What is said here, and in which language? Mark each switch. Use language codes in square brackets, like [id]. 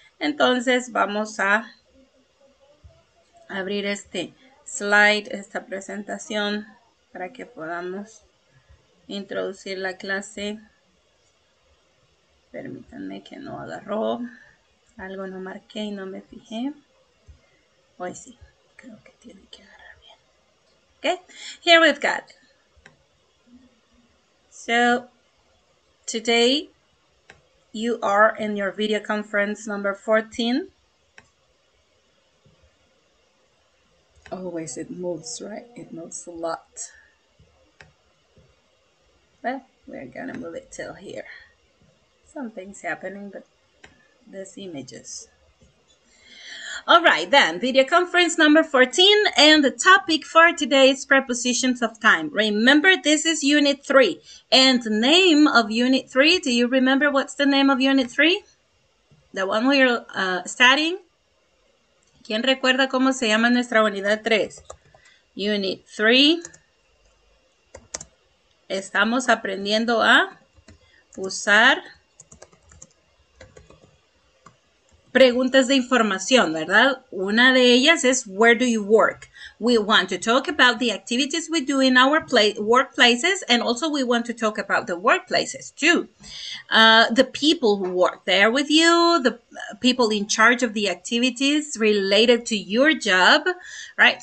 [es] Entonces, vamos a abrir este slide, esta presentación, para que podamos introducir la clase. Permítanme que no agarró. Algo no marqué y no me fijé. Hoy sí, creo que tiene que agarrar bien. [en] Okay, here we've got. So, today you are in your video conference number 14. Always it moves, right? It moves a lot. Well, we're gonna move it till here. Something's happening, but these images. All right, then, video conference number 14, and the topic for today is prepositions of time. Remember, this is unit 3, and the name of unit 3, do you remember what's the name of unit 3? The one we're studying? [es] ¿Quién recuerda cómo se llama nuestra unidad 3? [en] Unit 3. [es] Estamos aprendiendo a usar preguntas de información, ¿verdad? Una de ellas es, [en] where do you work? We want to talk about the activities we do in our workplaces, and also we want to talk about the workplaces, too. The people who work there with you, the people in charge of the activities related to your job, right?